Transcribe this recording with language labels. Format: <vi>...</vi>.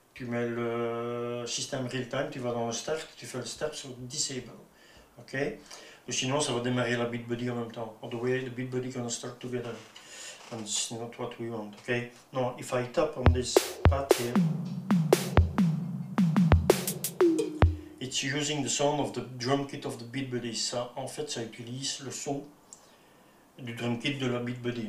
<fr>Tu mets le système real-time, tu vas dans le start, tu fais le start sur disable, ok. Ou sinon ça va démarrer la Beatbuddy en même temps.</fr> <en>All the way the Beatbuddy gonna start together, and it's not what we want, ok. Now if I tap on this pad here, it's using the sound of the drum kit of the Beatbuddy.</en> <fr>Ça, en fait, ça utilise le son du drum kit de la Beatbuddy.</fr>